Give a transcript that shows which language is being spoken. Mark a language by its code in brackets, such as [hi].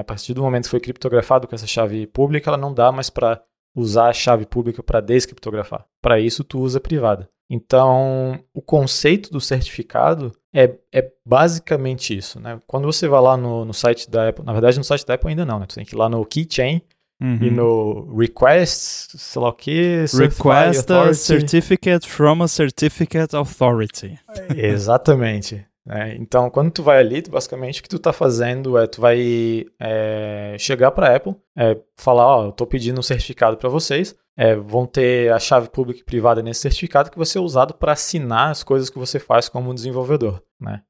[pt] A partir do momento que foi criptografado com essa chave pública, ela não dá mais para usar a chave pública para descriptografar. Para isso, tu usa a privada. Então, o conceito do certificado é basicamente isso, né? Quando você vai lá no site da Apple, na verdade, no site da Apple ainda não, né? Tu tem que ir lá no Keychain, uhum, e no Requests, sei lá o quê, [en] Request a Certificate from a Certificate Authority. [pt] Exatamente, Então, quando tu vai ali, basicamente o que tu tá fazendo é tu vai chegar para a Apple, falar: ó, eu tô pedindo um certificado para vocês. Vão ter a chave pública e privada nesse certificado que vai ser usado para assinar as coisas que você faz como desenvolvedor, né?